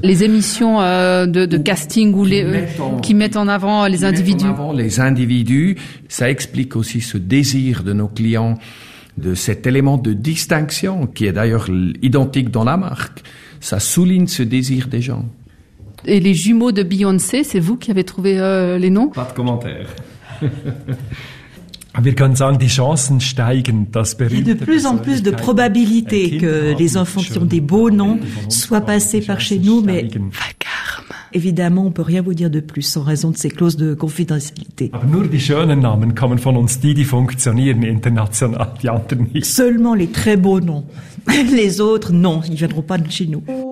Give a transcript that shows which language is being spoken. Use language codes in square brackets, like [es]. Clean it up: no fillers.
[fr] Les émissions de casting qui mettent en avant les individus, ça explique aussi ce désir de nos clients, de cet élément de distinction qui est d'ailleurs identique dans la marque. Ça souligne ce désir des gens. Et les jumeaux de Beyoncé, c'est vous qui avez trouvé les noms? Pas de commentaire. [de] Wir können sagen, die Chancen steigen, dass berühmte. [fr] Il y a de plus en plus de probabilités que les enfants qui ont des beaux noms soient passés par chez nous, mais vacarme. Évidemment, on peut rien vous dire de plus en raison de ces clauses de confidentialité. [de] Aber nur die schönen Namen kommen von uns, die funktionieren international, die anderen nicht. [fr] Seulement les très beaux noms. Les autres, non, ils viendront pas de chez nous.